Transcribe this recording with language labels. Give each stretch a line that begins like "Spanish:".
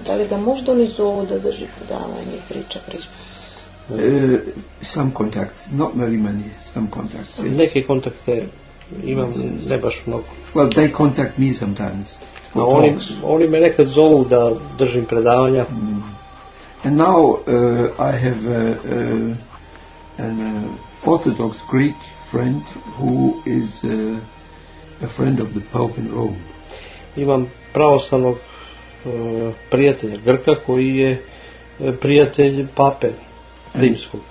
Serbian: Da li ga možda oni zovu da drži predavanje i priča prispod?
English: Some contacts, not very many, some contacts. Yes.
Serbian: Neke kontakte imam, ne baš mnogo.
English: Well, they contact me sometimes.
Serbian: No, oni me nekad zovu da držim predavanja. Mm.
English: And now I have an Orthodox Greek friend who is a friend of the Pope in Rome.
Serbian: Imam pravoslavnog prijatelja Grka koji je prijatelj pape rimskog.